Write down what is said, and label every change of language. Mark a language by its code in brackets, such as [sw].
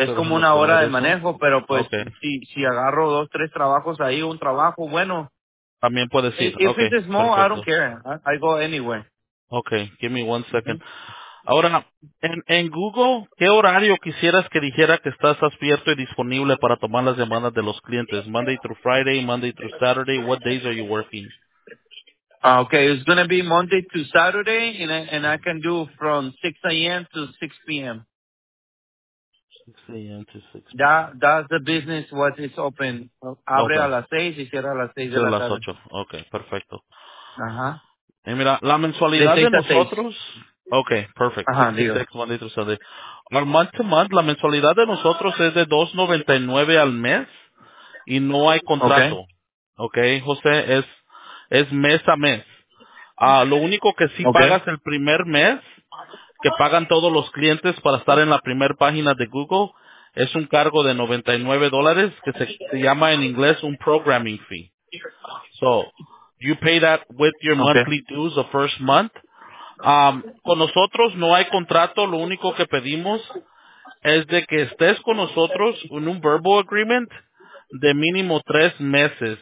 [es] Es como una hora de manejo, pero pues si agarro dos, tres trabajos ahí, un trabajo bueno. También puedes ir. [en] If it's small, [es] perfecto. [en] I don't care. I go anywhere. Okay, give me one second. [es] Ahora, en Google, ¿qué horario quisieras que dijera que estás abierto y disponible para tomar las llamadas de los clientes? [en] Monday through Friday, Monday through Saturday, what days are you working? Okay, it's going to be Monday to Saturday, and I can do from 6 a.m. to 6 p.m. 6 a.m. to 6 p.m. That's the business, what is open. [es] Abre a las 6 y cierra a las 6 de la tarde. A las 8, okay, perfecto. Ajá. Y mira, la mensualidad de nosotros... Seis. [en] Okay, perfect. [es] Ajá, digo. [en] Monday to Saturday. Our month-to-month, [es] la mensualidad de nosotros es de $2.99 al mes, y no hay contrato. [en] Okay, [es] José, es mes a mes. Lo único que sí pagas el primer mes, que pagan todos los clientes para estar en la primera página de Google, es un cargo de $99 que se llama en inglés un programming fee. [en] So, you pay that with your monthly dues the first month. [es] Con nosotros no hay contrato. Lo único que pedimos es de que estés con nosotros en un verbal agreement de mínimo 3 meses.